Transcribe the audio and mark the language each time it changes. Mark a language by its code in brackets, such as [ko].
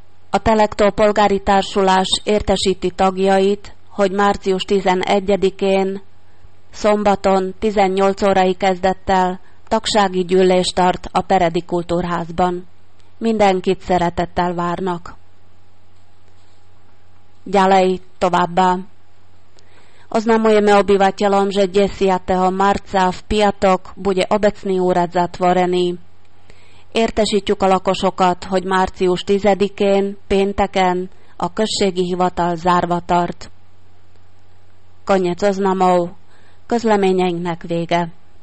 [hu] A Telektó Polgári Társulás értesíti tagjait, hogy március 11-én, szombaton 18 órai kezdettel tagsági gyűlés tart a Peredi Kultúrházban. Mindenkit szeretettel várnak. [sk] Ďalej [hu] továbbá. [sk] Oznamujeme obyvateľom, že 10. marca v piatok bude obecný úrad zatvorený. [hu] Értesítjük a lakosokat, hogy március 10-én, pénteken a községi hivatal zárva tart. [sk] Konec oznamov, [hu] közleményeinknek vége.